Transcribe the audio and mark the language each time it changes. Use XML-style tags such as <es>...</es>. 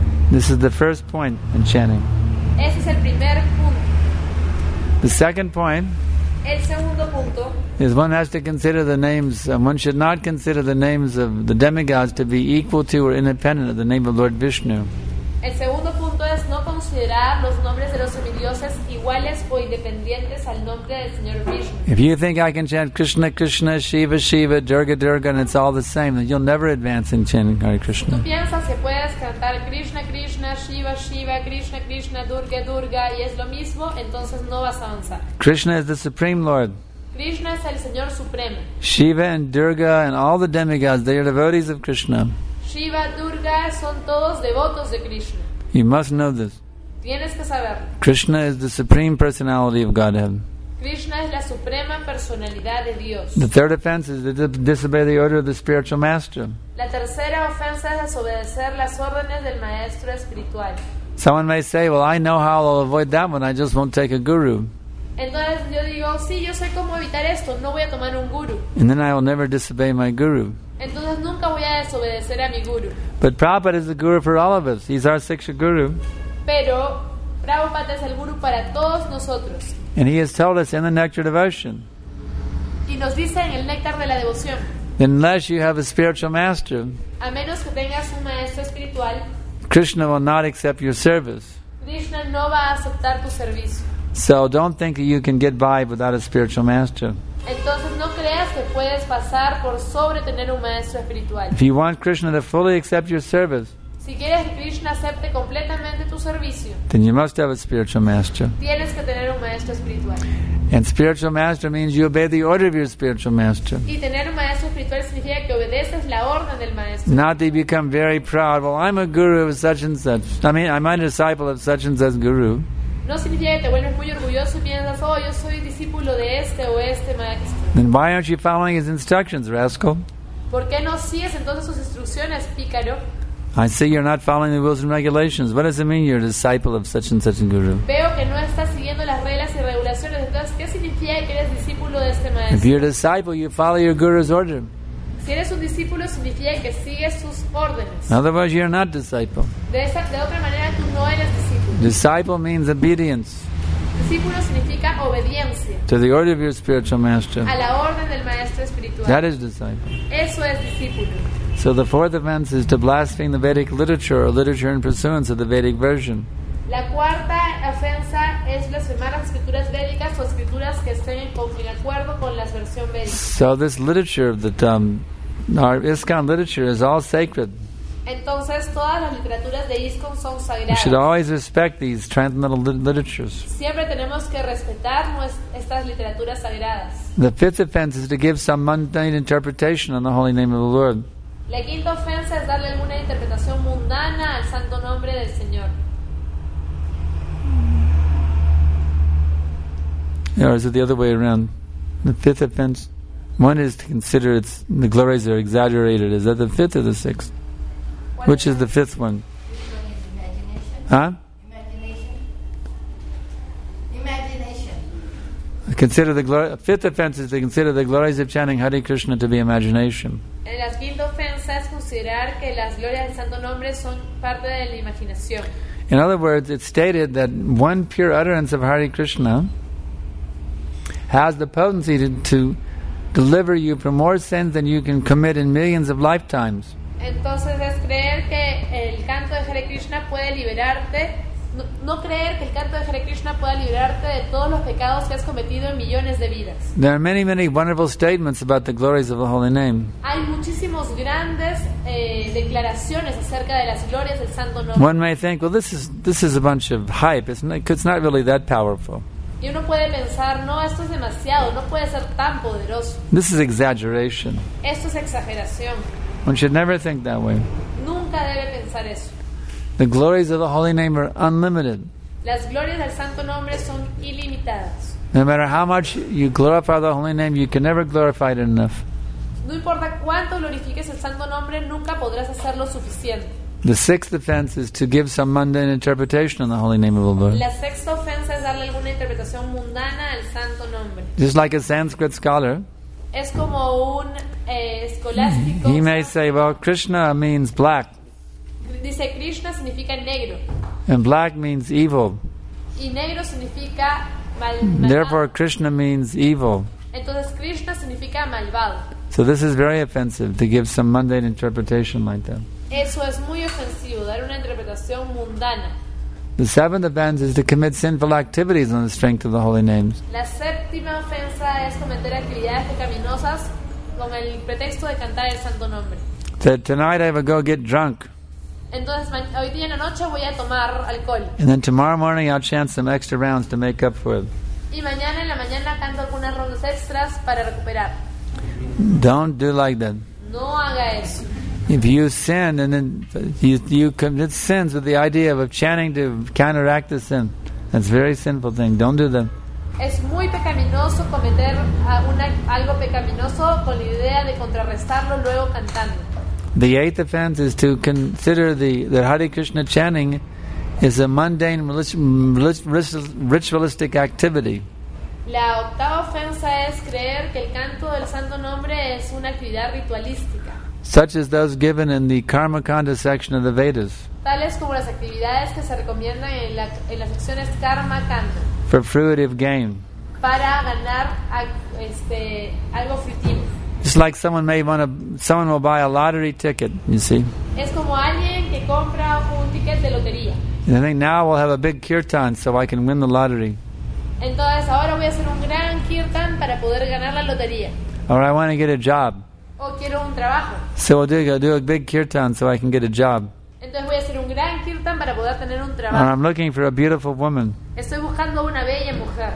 <en>This is the first point in chanting. The second point is one has to consider the names, one should not consider the names of the demigods to be equal to or independent of the name of Lord Vishnu.</en> <es>El segundo punto es considerar los nombres de los semidioses iguales o independientes al nombre del Señor Vishnu.</es> <en>If you think I can chant Krishna, Krishna, Shiva, Shiva, Durga, Durga, and it's all the same, then you'll never advance in chanting Hare Krishna.</en> <es>Si tú piensas que puedes cantar Krishna, Krishna, Shiva, Shiva, Krishna, Krishna, Durga, Durga, y es lo mismo, entonces no vas a avanzar.</es> <en>Krishna is the Supreme Lord.</en> <es>Krishna es el Señor Supremo.</es> <en>Shiva and Durga and all the demigods, they are devotees of Krishna.</en> <es>Shiva, Durga son todos devotos de Krishna.</es> <en>You must know this.</en> <es>Tienes que saberlo.</es> <en>Krishna is the Supreme Personality of Godhead.</en> <es>Krishna es la suprema personalidad de Dios.</es> <en>The third offense is to disobey the order of the spiritual master.</en> <es>La tercera ofensa es desobedecer las órdenes del maestro espiritual.</es> <en>Someone may say, well, I know how I'll avoid that one. I just won't take a guru.</en> <es>Entonces yo digo, sí, yo sé cómo evitar esto. No voy a tomar un guru.</es> <en>And then I will never disobey my guru.</en> <es>Entonces nunca voy a desobedecer a mi guru.</es> <en>But Prabhupada is the guru for all of us. He's our siksha guru.</en> <es>Pero Prabhupada es el guru para todos nosotros.</es> <en>And he has told us in the nectar devotion.</en> <es>Y nos dice en el néctar de la devoción.</es> <en>Unless you have a spiritual master.</en> <es>A menos que tengas un maestro espiritual.</es> <en>Krishna will not accept your service.</en> <es>Krishna no va a aceptar tu servicio.</es> <en>So don't think that you can get by without a spiritual master.</en> <es>Entonces no creas que puedes pasar por sobre tener un maestro espiritual.</es> <en>If you want Krishna to fully accept your service,</en> <es>si quieres que Krishna acepte completamente tu servicio,</es> <en>then you must have a spiritual master.</en> <es>Tienes que tener un maestro espiritual.</es> <en>And spiritual master means you obey the order of your spiritual master.</en> <es>Y tener un maestro espiritual significa que obedeces la orden del maestro.</es> <en>Not that you become very proud. Well, I'm a guru of such and such. I'm a disciple of such and such guru.</en> <es>No significa que te vuelves muy orgulloso y piensas, oh, yo soy discípulo de este o este maestro.</es> <en>Then why aren't you following his instructions, rascal?</en> <es>¿Por qué no sigues entonces sus instrucciones, pícaro?</es> <en>I see you're not following the rules and regulations. What does it mean you're a disciple of such and such a guru?</en> <es>Veo que no estás siguiendo las reglas y regulaciones. Entonces, ¿qué significa que eres discípulo de este maestro?</es> <en>If you're a disciple, you follow your guru's order.</en> <es>Si eres un discípulo, significa que sigues sus órdenes.</es> <en>Otherwise, you're not a disciple.</en> <es>De otra manera, tú no eres discípulo.</es> <en>Disciple means obedience.</en> <es>Discípulo significa obediencia.</es> <en>To the order of your spiritual master.</en> <es>A la orden del maestro espiritual.</es> <en>That is disciple.</en> <es>Eso es discípulo.</es> <en>So the fourth offense is to blaspheme the Vedic literature or literature in pursuance of the Vedic version.</en> <es>La cuarta ofensa es blasfemar las escrituras védicas o escrituras que estén en acuerdo con la versión védica.</es> <en>So this literature, that our ISKCON literature is all sacred.</en> <es>Entonces todas las literaturas de ISKCON son sagradas.</es> <en>We should always respect these transcendental literatures.</en> <es>Siempre tenemos que respetar estas literaturas sagradas.</es> <en>The fifth offense is to give some mundane interpretation on the holy name of the Lord.</en> <es>La quinta ofensa es darle alguna interpretación mundana al santo nombre del Señor.</es> <en>Or is it the other way around? The fifth offense. One is to consider its the glories are exaggerated. Is that the fifth or the sixth? Which is the fifth one? Imagination. Huh? Imagination. Consider the fifth offense is to consider the glories of chanting Hare Krishna to be imagination.</en> <es>En la quinta ofensa es considerar que las glorias del santo nombre son parte de la imaginación.</es> <en>In other words, it's stated that one pure utterance of Hare Krishna has the potency to deliver you from more sins than you can commit in millions of lifetimes.</en> <es>Entonces es creer que el canto de Hare Krishna puede liberarte, no creer que el canto de Hare Krishna pueda liberarte de todos los pecados que has cometido en millones de vidas.</es> <en>There are many, many wonderful statements about the glories of the holy name.</en> <es>Hay muchísimos grandes declaraciones acerca de las glorias del santo nombre.</es> <en>One may think, well, this is a bunch of hype. It's not really that powerful.</en> <es>Y uno puede pensar, no, esto es demasiado, no puede ser tan poderoso.</es> <en>This is exaggeration.</en> <es>Esto es exageración.</es> <en>One should never think that way.</en> <es>Nunca debe pensar eso.</es> <en>The glories of the holy name are unlimited.</en> <es>Las glorias del santo nombre son ilimitadas.</es> <en>No matter how much you glorify the holy name, you can never glorify it enough.</en> <es>No importa cuánto glorifiques el santo nombre, nunca podrás hacerlo suficiente.</es> <en>The sixth offense is to give some mundane interpretation on the holy name of the Lord.</en> <es>La sexta ofensa es darle alguna interpretación mundana al santo nombre.</es> <en>Just like a Sanskrit scholar.</en> <es>Es como un escolástico.</es> <en>He may say, well, Krishna means black.</en> <es>Dice, Krishna significa negro.</es> <en>And black means evil.</en> <es>Y negro significa mal.</es> <en>Therefore, Krishna means evil.</en> <es>Entonces, Krishna significa malvado.</es> <en>So this is very offensive to give some mundane interpretation like that.</en> <es>Eso es muy ofensivo, dar una interpretación mundana.</es> <en>The seventh offense is to commit sinful activities on the strength of the holy names.</en> <es>La séptima ofensa es cometer actividades pecaminosas con el pretexto de cantar el santo nombre.</es> <en>That tonight I will go get drunk.</en> <es>Entonces, hoy día en la noche voy a tomar alcohol.</es> <en>And then tomorrow morning I'll chant some extra rounds to make up for it.</en> <es>Y mañana en la mañana canto algunas rondas extras para recuperar.</es> <en>Don't do like that.</en> <es>No haga eso.</es> <en>If you sin and then you commit sins with the idea of chanting to counteract the sin, that's a very sinful thing. Don't do that.</en> <es>Es muy pecaminoso cometer algo pecaminoso con la idea de contrarrestarlo luego cantando.</es> <en>The eighth offense is to consider the Hare Krishna chanting is a mundane ritualistic activity.</en> <es>La octava ofensa es creer que el canto del santo nombre es una actividad ritualística.</es> <en>Such as those given in the Karmakanda section of the Vedas.</en> <es>Tales como las actividades que se recomiendan en las secciones Karmakanda.</es> <en>For fruitive gain.</en> <es>Para ganar algo fruitivo.</es> <en>It's like someone will buy a lottery ticket, you see.</en> <es>Es como alguien que compra un ticket de lotería.</es> <en>And I think now we'll have a big kirtan so I can win the lottery.</en> <es>Entonces ahora voy a hacer un gran kirtan para poder ganar la lotería.</es> <en>Or I want to get a job.</en> <es>O quiero un trabajo.</es> <en>So I'll do a big kirtan so I can get a job.</en> <es>Entonces voy a hacer un gran kirtan para poder tener un trabajo.</es> <en>Or I'm looking for a beautiful woman.</en> <es>Estoy buscando una bella mujer.</es>